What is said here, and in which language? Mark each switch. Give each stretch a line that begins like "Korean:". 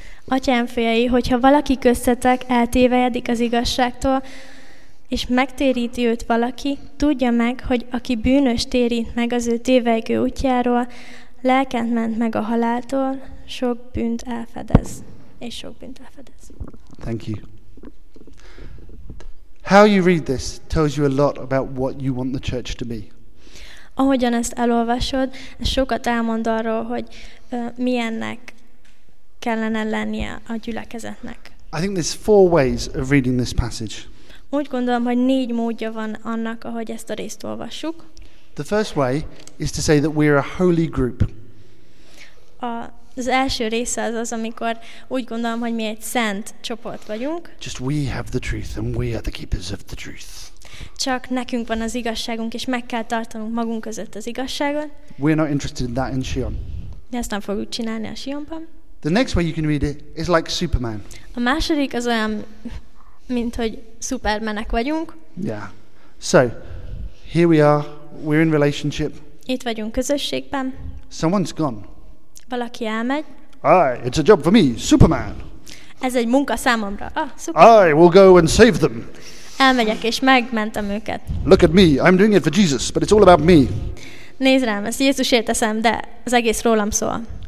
Hungarian: Atyám fiai, hogyha valaki köztetek eltévejedik az igazságtól, és megtéríti őt valaki, tudja meg, hogy aki bűnös térít meg az ő tévejgő útjáról, lelket ment meg a haláltól, sok bűnt elfedez. És sok bűnt elfedez.
English: Thank you. How you read this tells you a lot about what you want the church to be.
Hungarian: Ahogyan ezt elolvasod, ez sokat elmond arról, hogy milyennek kellene lennie a gyülekezetnek.
English: I think there's four ways of reading this passage.
Hungarian: Úgy gondolom, hogy négy módja van annak, ahogy ezt a részt olvassuk.
English: The first way is to say that we are a holy group.
Hungarian: Az első része az az, amikor úgy gondolom, hogy mi egy szent csoport vagyunk.
English: Just we have the truth and we are the keepers of the truth.
Hungarian: Csak nekünk van az igazságunk, és meg kell tartanunk magunk között az igazságot.
English: We are not interested in that in Sion.
Hungarian: Ezt nem fogjuk csinálni a Sionban.
English: The next way you can read it is like Superman.
Hungarian: A második az olyan, mint hogy szupermenek vagyunk.
English: Yeah. So, here we are. We're in relationship.
Hungarian: Itt vagyunk közösségben.
English: Someone's gone.
Hungarian: Valaki elmegy.
English: Aye, it's a job for me, Superman.
Hungarian: Ez egy munka számomra. Ah,
English: Superman. I will go and save them.
Hungarian: Elmegyek és megmentem őket.
English: Look at me, I'm doing it for Jesus, but it's all about me.
Hungarian: Nézd rám, ezt Jézusért teszem, de az egész rólam szól.